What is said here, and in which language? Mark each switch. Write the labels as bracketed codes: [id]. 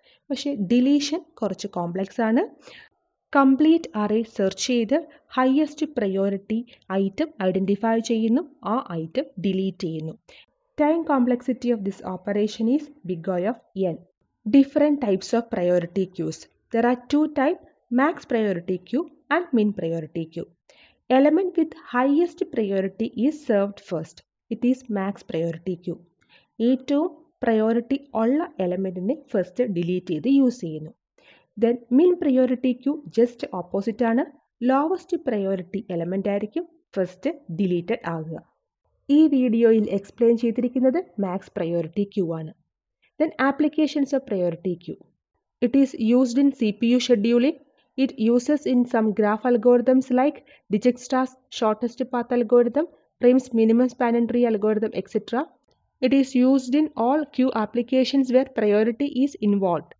[ml] പക്ഷേ ഡിലീഷൻ കുറച്ച് കോംപ്ലക്സ് ആണ്. കംപ്ലീറ്റ് അറേ സെർച്ച് ചെയ്ത് ഹയസ്റ്റ് പ്രയോറിറ്റി ഐറ്റം ഐഡൻറ്റിഫൈ ചെയ്യുന്നു, ആ ഐറ്റം ഡിലീറ്റ് ചെയ്യുന്നു. [en] Time complexity of this operation is big O of n. Different types of priority queues, there are two type, max priority queue and min priority queue. Element with highest priority is served first. It is max priority queue. [ml] ഏറ്റവും priority ഉള്ള എലമെൻറ്റിനെ first delete ചെയ്ത് use ചെയ്യുന്നു. Then മിൻ priority queue just opposite ആണ്, lowest priority element ആയിരിക്കും first deleted ആകുക. ഈ വീഡിയോയിൽ എക്സ്പ്ലെയിൻ ചെയ്തിരിക്കുന്നത് മാക്സ് പ്രയോറിറ്റി ക്യൂ ആണ്. [en] Then applications of priority queue, it is used in CPU scheduling. It uses in some graph algorithms like Dijkstra's shortest path algorithm, Prim's minimum span and tree algorithm, etc. It is used in all queue applications where priority is involved.